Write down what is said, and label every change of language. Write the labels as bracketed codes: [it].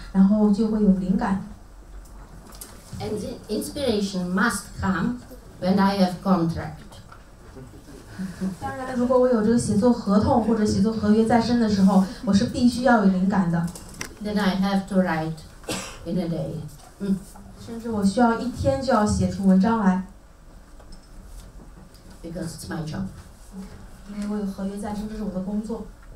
[zh] 那其实我最有灵感的一个时间段应该是晚上，那时候我的家里面非常的安静，我孤身一人，有的时候我会盯着墙看，那有的时候墙上还有电视，开着电视，但其实电视并不重要，我就是不断的盯着，然后就会有灵感。 [en] And the inspiration must come when I have contract. [zh] 当然，如果我有这个写作合同或者写作合约在身的时候，我是必须要有灵感的。 [en] Then I have to write in a day. [zh] 甚至我需要一天就要写出文章来。 [en] Because it's my job. [zh] 因为我有合约在身，这是我的工作。